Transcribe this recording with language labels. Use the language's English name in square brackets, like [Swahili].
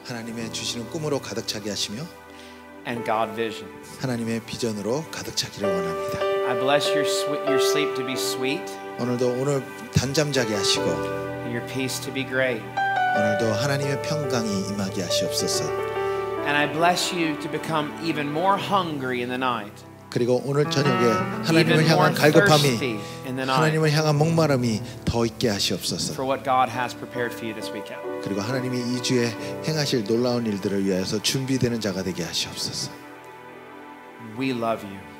[Korean] 하나님의 주시는 꿈으로 가득 차게 하시며 [English] and God visions [Korean] 하나님의 비전으로 가득 차기를 원합니다. [English] I bless your sleep to be sweet [Korean] 오늘도 오늘 단잠 자게 하시고 [English] and your peace to be great [Korean] 오늘도 하나님의 평강이 임하게 하시옵소서. [English] And I bless you to become even more hungry in the night [Korean] 그리고 오늘 저녁에 하나님을 향한 갈급함이 하나님을 향한 목마름이 더 있게 하시옵소서. 그리고 하나님이 이 주에 행하실 놀라운 일들을 위하여서 준비되는 자가 되게 하시옵소서. [English] We love you.